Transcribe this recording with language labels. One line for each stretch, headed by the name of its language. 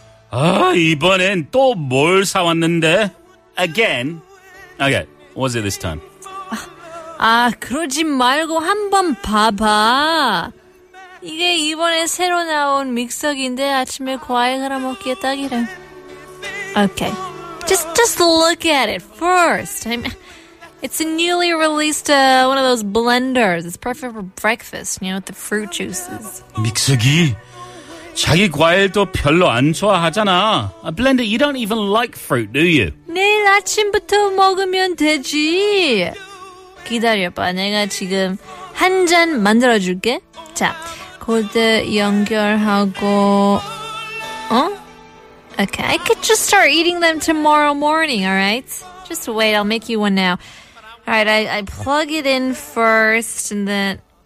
Korean: 아, 이번엔 또 뭘 사왔는데?
English: Again? Okay, what was it this time?
Korean: 아, 그러지 말고 한번 봐봐. 이게 이번에 새로 나온 믹서기인데 아침에 과일 갈아 먹기에 딱이래.
English: Okay, just look at it first. I mean, it's a newly released one of those blenders. It's perfect for breakfast, you know, with the fruit juices.
Korean: 믹서기? 자기 과일도 별로 안 좋아하잖아.
English: A blender, you don't even like fruit, do you?
Korean: 내일 아침부터 먹으면 되지. 기다려봐, 내가 지금 한 잔 만들어줄게. 자, 코드 연결하고, 어?
English: Okay, I could just start eating them tomorrow morning, alright? Just wait, I'll make you one now. Alright, I plug it in first, and then...